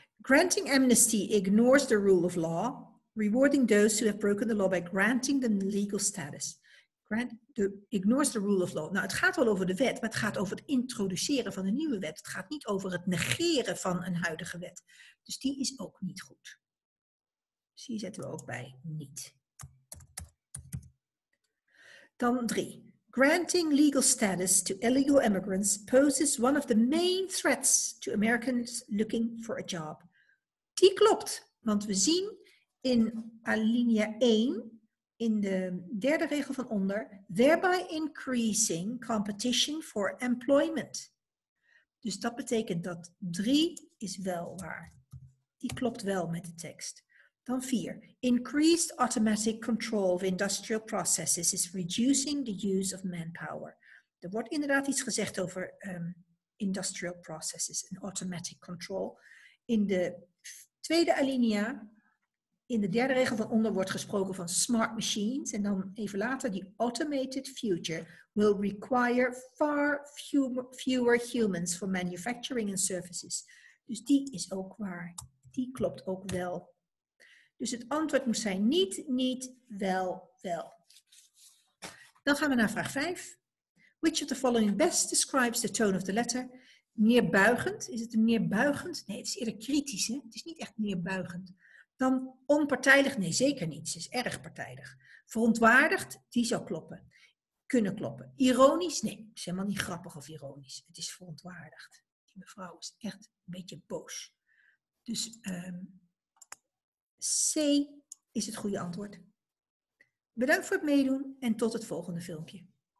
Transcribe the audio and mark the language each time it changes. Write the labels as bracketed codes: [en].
[en] Granting amnesty ignores the rule of law, rewarding those who have broken the law by granting them legal status. Ignores the rule of law. [nl] Nou, het gaat wel over de wet, maar het gaat over het introduceren van een nieuwe wet. Het gaat niet over het negeren van een huidige wet. Dus die is ook niet goed. Dus hier zetten we ook bij niet. Dan 3. [en] Granting legal status to illegal immigrants poses one of the main threats to Americans looking for a job. [nl] Die klopt, want we zien in alinea 1, in de derde regel van onder, [en] thereby increasing competition for employment. [nl] Dus dat betekent dat 3 is wel waar. Die klopt wel met de tekst. Dan 4. [en] Increased automatic control of industrial processes is reducing the use of manpower. [nl] Er wordt inderdaad iets gezegd over industrial processes en automatic control. In de tweede alinea, in de derde regel van onder, wordt gesproken van smart machines. En dan even later, [en] the automated future will require far fewer humans for manufacturing and services. [nl] Dus die is ook waar. Die klopt ook wel. Dus het antwoord moet zijn niet, niet, wel, wel. Dan gaan we naar vraag 5. [en] Which of the following best describes the tone of the letter? [nl] Neerbuigend. Is het een neerbuigend? Nee, het is eerder kritisch. Hè? Het is niet echt neerbuigend. Dan onpartijdig? Nee, zeker niet. Het is erg partijdig. Verontwaardigd? Die zou kloppen. Kunnen kloppen. Ironisch? Nee, het is helemaal niet grappig of ironisch. Het is verontwaardigd. Die mevrouw is echt een beetje boos. Dus C is het goede antwoord. Bedankt voor het meedoen en tot het volgende filmpje.